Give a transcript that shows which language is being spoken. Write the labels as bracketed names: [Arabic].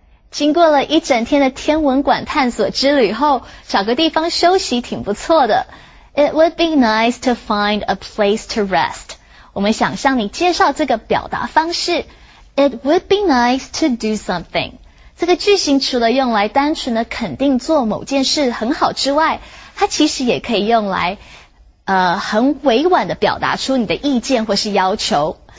[Chinese] 经过了一整天的天文馆探索之旅后，找个地方休息挺不错的。 [English] It would be nice to find a place to rest. [Chinese] 我们想向你介绍这个表达方式。 [English] It would be nice to do something. [Chinese] 这个句型除了用来单纯的肯定做某件事很好之外，它其实也可以用来很委婉的表达出你的意见或是要求。